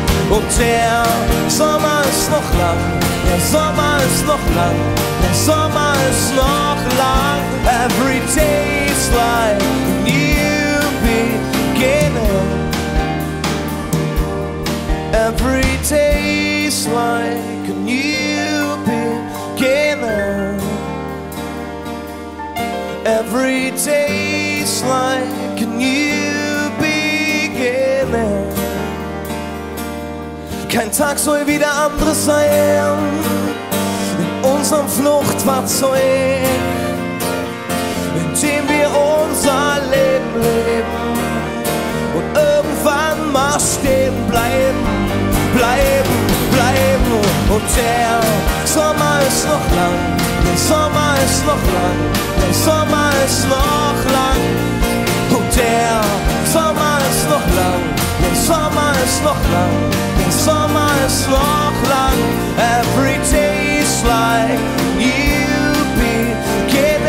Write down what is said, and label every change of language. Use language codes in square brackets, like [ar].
[de] Und der Sommer ist noch lang, der Sommer ist noch lang, der Sommer ist noch lang. [en] Every day is like a new beginning. Every day is like a new beginning. Every day is like a new beginning. [de] Kein Tag soll wie der andere sein, in unserem Fluchtfahrzeug, in dem wir unser Leben leben und irgendwann mal stehen bleiben, bleiben, bleiben. Und der Sommer ist noch lang, der Sommer ist noch lang, der Sommer ist noch lang. Und der Sommer ist noch lang, der Sommer ist noch lang. Sommer ist noch lang. [en] Every day is like a new beginning.